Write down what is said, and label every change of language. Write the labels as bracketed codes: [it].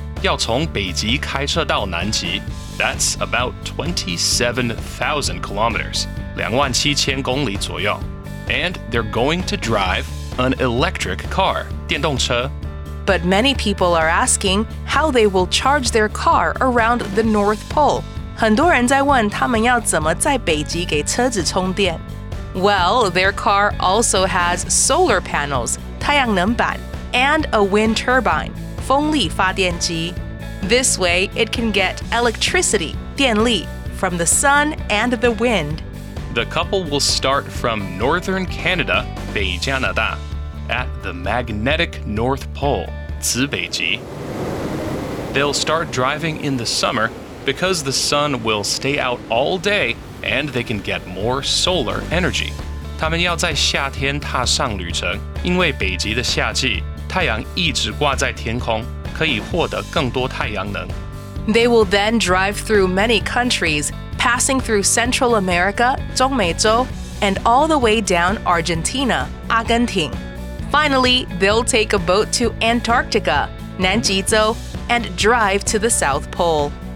[zh] 要从北极开车到南极. [en] That's about 27,000 kilometers, [zh] 两万七千公里左右. [en] And they're going to drive an electric car, 电动车. But many people are asking how they will charge their car around the North Pole. [zh] 很多人在问他们要怎么在北极给车子充电. [en] Well, their car also has solar panels, 太阳能板, and a wind turbine, 风力发电机. This way, it can get electricity, 电力, from the sun and the wind. The couple will start from northern Canada, 北加拿大, at the magnetic North Pole, 磁北极. They'll start driving in the summer because the sun will stay out all day and they can get more solar energy. [zh] 他们要在夏天踏上旅程,因为北极的夏季,太阳一直挂在天空,可以获得更多太阳能. [en] They will then drive through many countries,passing through Central America, 中美洲, and all the way down Argentina, 阿根廷. Finally, they'll take a boat to Antarctica, 南极洲, and drive to the South Pole.